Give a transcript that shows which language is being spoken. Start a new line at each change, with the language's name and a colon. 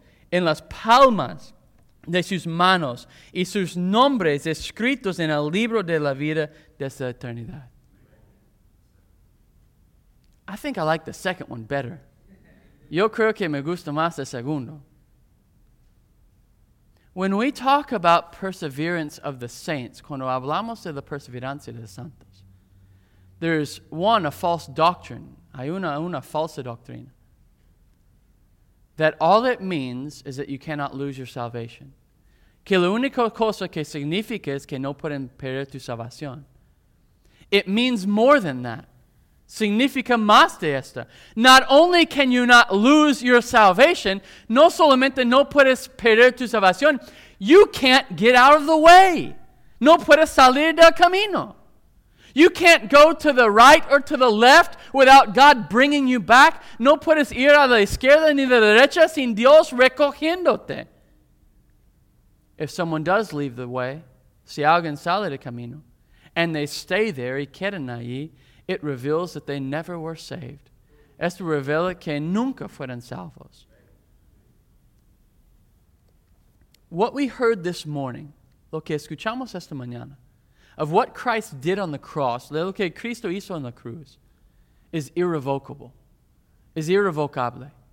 Spanish: en las palmas de sus manos y sus nombres escritos en el libro de la vida desde la eternidad.
English: I think I like the second one better.
Spanish: Yo creo que me gusta más el segundo.
English: When we talk about perseverance of the saints,
Spanish: cuando hablamos de la perseverancia de los santos,
English: there's one, a false doctrine.
Spanish: Hay una falsa doctrina.
English: That all it means is that you cannot lose your salvation.
Spanish: Que la única cosa que significa es que no pueden perder tu salvación.
English: it means more than that.
Spanish: Significa más de esto.
English: Not only can you not lose your salvation,
Spanish: no solamente no puedes perder tu salvación,
English: you can't get out of the way.
Spanish: No puedes salir del camino.
English: You can't go to the right or to the left without God bringing you back.
Spanish: No puedes ir a la izquierda ni a la derecha sin Dios recogiéndote.
English: If someone does leave the way,
Spanish: si alguien sale del camino,
English: and they stay there
Spanish: y quedan allí,
English: it reveals that they never were saved.
Spanish: Esto revela que nunca fueron salvos.
English: What we heard this morning,
Spanish: lo que escuchamos esta mañana,
English: of what Christ did on the cross,
Spanish: lo que Cristo hizo en la cruz,
English: is irrevocable, is irrevocable.